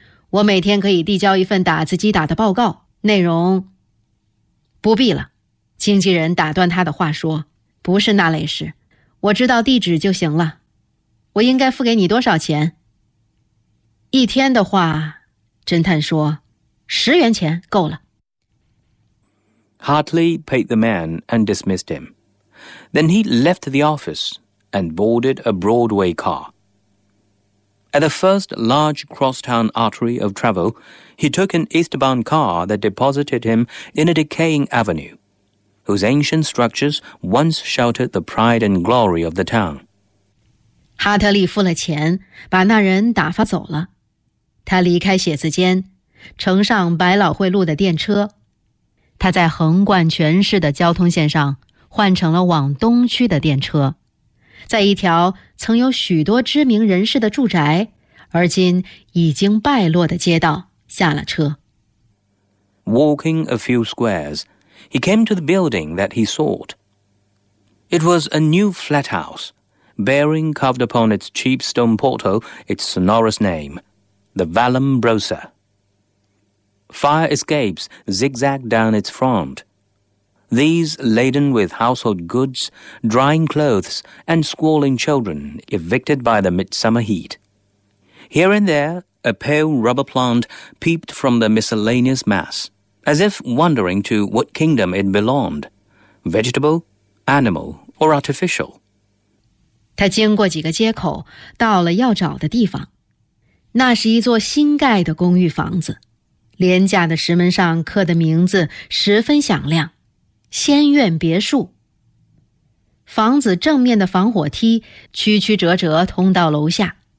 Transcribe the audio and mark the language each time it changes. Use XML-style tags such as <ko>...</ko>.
<zh>我每天可以递交一份打字机打的报告，内容……不必了，经纪人打断他的话说，不是那类事，我知道地址就行了。我应该付给你多少钱？一天的话，侦探说，10元钱够了。</zh> <en>Hartley paid the man and dismissed him. Then he left the office and boarded a Broadway car. At the first large crosstown artery of travel, he took an eastbound car that deposited him in a decaying avenue, whose ancient structures once sheltered the pride and glory of the town.</en> <zh>哈特利付了钱，把那人打发走了。他离开写字间，乘上百老汇路的电车。他在横贯全市的交通线上换乘了往东区的电车。在一条曾有许多知名人士的住宅，而今已经败落的街道下了车。</zh> <en>Walking a few squares, he came to the building that he sought. It was a new flat house, bearing carved upon its cheap stone portal its sonorous name, the Vallum Brosser. Fire escapes zigzagged down its front. These, laden with household goods, drying clothes, and squalling children, evicted by the midsummer heat. Here and there, a pale rubber plant peeped from the miscellaneous mass, as if wondering to what kingdom it belonged, vegetable, animal, or artificial.</en> <zh>他经过几个街口，到了要找的地方。那是一座新盖的公寓房子，廉价的石门上刻的名字十分响亮。仙苑别墅。房子正面的防火梯曲曲折折通到楼下。</zh>